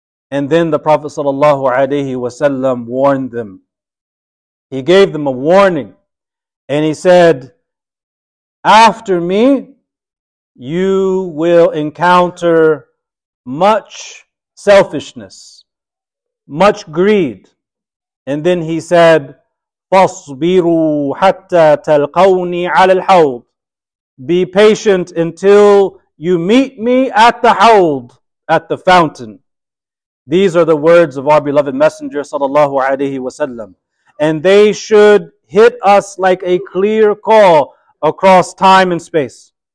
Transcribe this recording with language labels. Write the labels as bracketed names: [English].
[English] And then the Prophet sallallahu alayhi wa sallam warned them. He gave them a warning. And he said, after me, you will encounter much selfishness, much greed. And then he said, [Arabic] فَصْبِرُوا حَتَّى تَلْقَوْنِي عَلَى الْحَوْضِ. [English] Be patient until you meet me at the hawd, at the fountain. These are the words of our beloved Messenger sallallahu alayhi wa sallam. And they should hit us like a clear call across time and space.